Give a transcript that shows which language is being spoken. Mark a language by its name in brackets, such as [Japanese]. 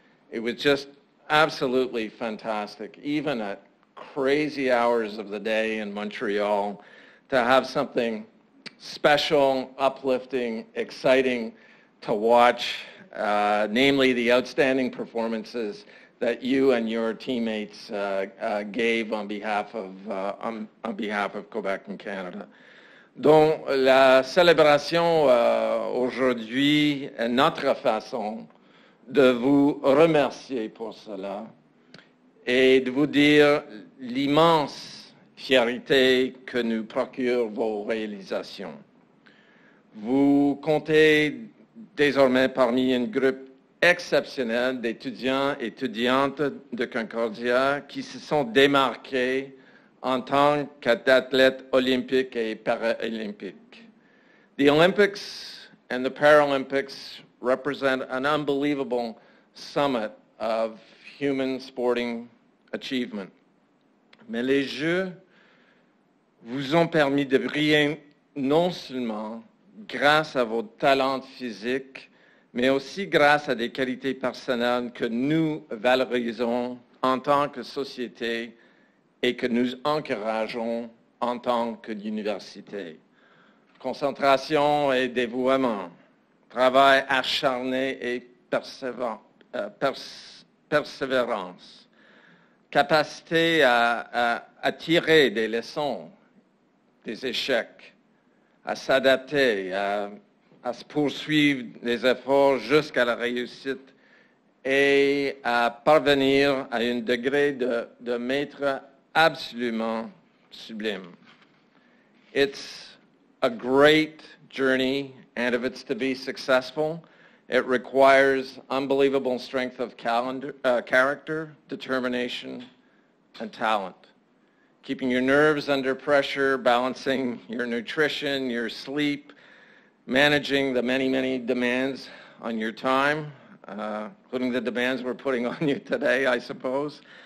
[English] it was just absolutely fantastic, even at crazy hours of the day in Montreal, to have something special, uplifting, exciting to watch, namely the outstanding performances that you and your teammates gave on behalf of Quebec and Canada. [French] Donc la célébration aujourd'hui est notre façon de vous remercier pour cela et de vous dire l'immense fierté que nous procurent vos réalisations. Vous comptez désormais parmi un groupe exceptionnel d'étudiants et étudiantes de Concordia qui se sont démarqués en tant qu'athlètes olympiques et paralympiques. [English] The Olympics and the Paralympics represent an unbelievable summit of human sporting achievement. [French] Mais les Jeux vous ont permis de briller non seulement grâce à vos talents physiques, mais aussi grâce à des qualités personnelles que nous valorisons en tant que société et que nous encourageons en tant qu'université. Concentration et dévouement, travail acharné et persévérance, capacité à tirer des leçons, des échecs, à s'adapter, à se poursuivre les efforts jusqu'à la réussite et à parvenir à un degré de maître absolument sublime. [English] It's a great journey, and if it's to be successful, it requires unbelievable strength of character, determination, and talent. Keeping your nerves under pressure, balancing your nutrition, your sleep, managing the many, many demands on your time, including the demands we're putting on you today, I suppose.